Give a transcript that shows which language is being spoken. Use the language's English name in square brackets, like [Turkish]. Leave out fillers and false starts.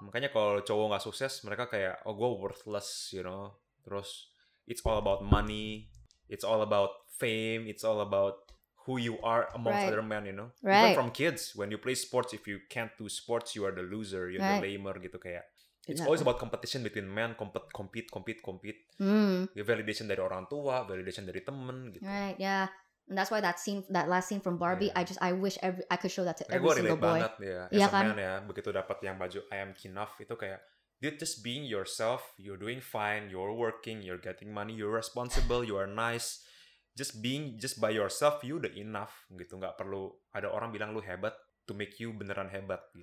[Indonesian] makanya kalau cowok nggak sukses, mereka kayak, oh gue [English] worthless, you know. [Indonesian] Terus [English] it's all about money, it's all about fame, it's all about who you are amongst other men, you know. Right. Even from kids, when you play sports, if you can't do sports, you are the loser, you're the lamer, [Indonesian] gitu kayak. [English] It's always about competition between men, compete. [Indonesian] Validation dari orang tua, validation dari temen, gitu. [English] Right. Yeah. And that's why that last scene from Barbie, I could show that to every single boy. [Indonesian] Banget, begitu dapat yang baju [English] I am enough, [Indonesian] itu kayak, [English] dude, just being yourself, you're doing fine, you're working, you're getting money, you're responsible, you are nice. Just by yourself, you the enough, [Indonesian] gitu. Gak perlu ada orang bilang lu hebat [English] to make you [Indonesian] beneran hebat. Gitu.